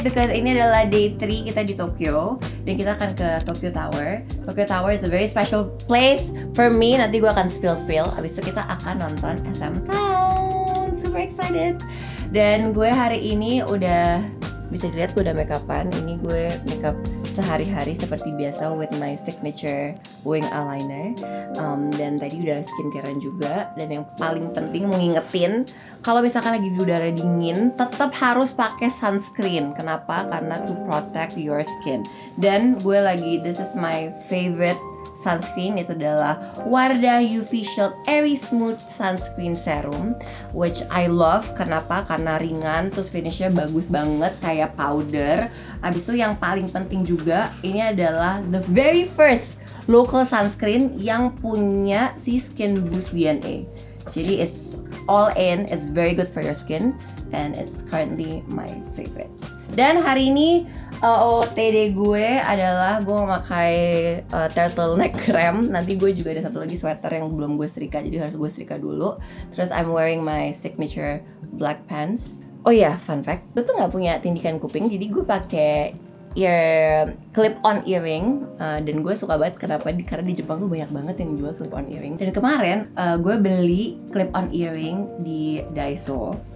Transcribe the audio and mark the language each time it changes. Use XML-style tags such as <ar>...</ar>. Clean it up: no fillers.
<id>Ini adalah day 3 kita di Tokyo. Dan kita akan ke Tokyo Tower.</id> <en>Tokyo Tower is a very special place for me.</en> <id>Nanti gue akan spill. Abis itu kita akan nonton SM Town. Super excited. Dan gue hari ini udah, bisa dilihat gue udah make up-an. Ini gue make up sehari-hari seperti biasa</id> <en>with my signature wing eyeliner.</en> <id>Dan tadi udah skincare-an juga. Dan yang paling penting mengingetin, kalau misalkan lagi di udara dingin, tetap harus pakai sunscreen. Kenapa? Karena</id> <en>to protect your skin.</en> <id>Dan gue lagi,</id> <en>this is my favorite sunscreen.</en> <id>Itu adalah Wardah UV Shield Airy Smooth Sunscreen Serum,</id> <en>which I love.</en> <id>Kenapa? Karena ringan, terus finishnya bagus banget, kayak powder. Abis itu yang paling penting juga, ini adalah</id> <en>the very first local sunscreen</en> <id>yang punya si Skin Boost VNA. Jadi</id> <en>it's all in, it's very good for your skin, and it's currently my favorite.</en> <id>Dan hari ini OOTD gue adalah gue memakai turtleneck cream. Nanti gue juga ada satu lagi sweater yang belum gue setrika, jadi harus gue setrika dulu. Terus</id> <en>I'm wearing my signature black pants.</en> <id>Oh iya, fun fact, gue tuh gak punya tindikan kuping, jadi gue pakai ear clip-on earring. Dan gue suka banget, kenapa? Karena di Jepang tuh banyak banget yang jual clip-on earring. Dan kemarin gue beli clip-on earring di Daiso.</id>